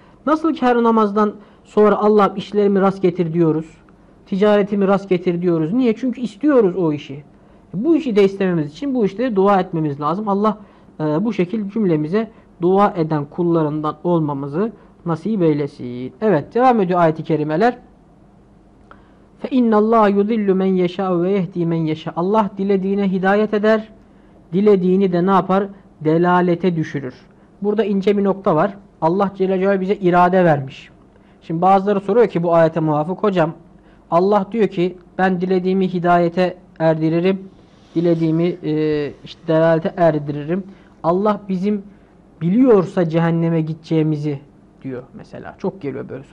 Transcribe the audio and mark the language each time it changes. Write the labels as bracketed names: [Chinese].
[Turkish] Nasıl ki her namazdan sonra Allah'ım işlerimi rast getir diyoruz. Ticaretimi rast getir diyoruz. Niye? Çünkü istiyoruz o işi. Bu işi de istememiz için bu işleri dua etmemiz lazım. Allah bu şekilde cümlemize dua eden kullarından olmamızı nasip eylesin. Evet, devam ediyor ayet-i kerimeler. [Arabic] فَاِنَّ اللّٰهَ يُذِلُّ مَنْ يَشَاءُ وَيَهْد۪ي مَنْ يَشَاءُ [Turkish] Allah dilediğine hidayet eder. Dilediğini de ne yapar? Delalete düşürür. Burada ince bir nokta var. Allah Celle Celaluhu bize irade vermiş. Şimdi bazıları soruyor ki bu ayete muvafık. Hocam Allah diyor ki ben dilediğimi hidayete erdiririm. Dilediğimi işte delalete erdiririm. Allah bizim biliyorsa cehenneme gideceğimizi diyor mesela. Çok geliyor böyle.